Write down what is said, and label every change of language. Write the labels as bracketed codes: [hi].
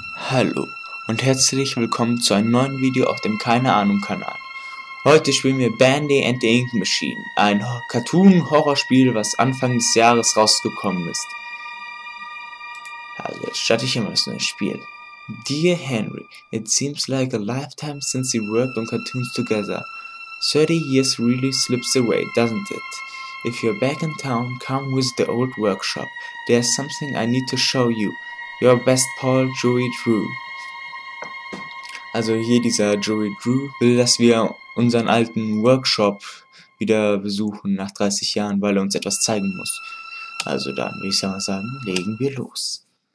[de] Hallo und herzlich willkommen zu einem neuen Video auf dem Keine-Ahnung-Kanal. Heute spielen wir Bandy and the Ink Machine, ein Cartoon-Horrorspiel, was Anfang des Jahres rausgekommen ist. Also, starte ich immer so ein Spiel. [en] Dear Henry, it seems like a lifetime since you worked on cartoons together. 30 years really slips away, doesn't it? If you're back in town, come with the old workshop. There's something I need to show you. Your best pal, Joey Drew. [de] Also hier dieser Joey Drew will, dass wir unseren alten Workshop wieder besuchen nach 30 Jahren, weil er uns etwas zeigen muss. Also dann würde ich sagen, legen wir los.